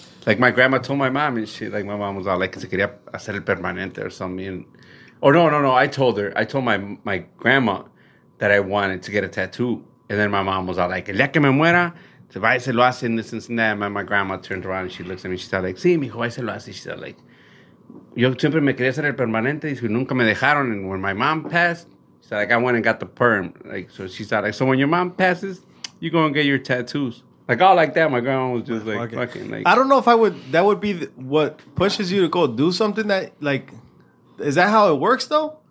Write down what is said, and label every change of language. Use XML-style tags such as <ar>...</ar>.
<en>like my grandma told my mom, and she, like my mom was all like,</en> <es>se quería hacer el permanente</es> <en>or something. Oh, no. I told her. I told my grandma that I wanted to get a tattoo. And then my mom was all like,</en> <es>el día que me muera, se va y se lo hace,</es> <en>and this and that. And my grandma turned around and she looks at me. She's all like,</en> <es>sí, mijo, ahí se lo hace. She's all like, yo siempre me quería hacer el permanente. Y nunca me dejaron.</es> <en>And when my mom passed, she's like, I went and got the perm. Like, so she's all like, so when your mom passes, you go and get your tattoos. Like, all like that. My grandma was just like, fucking. Like, I don't know if I would, that would be what pushes you to go do something that, like, is that how it works, though?</en>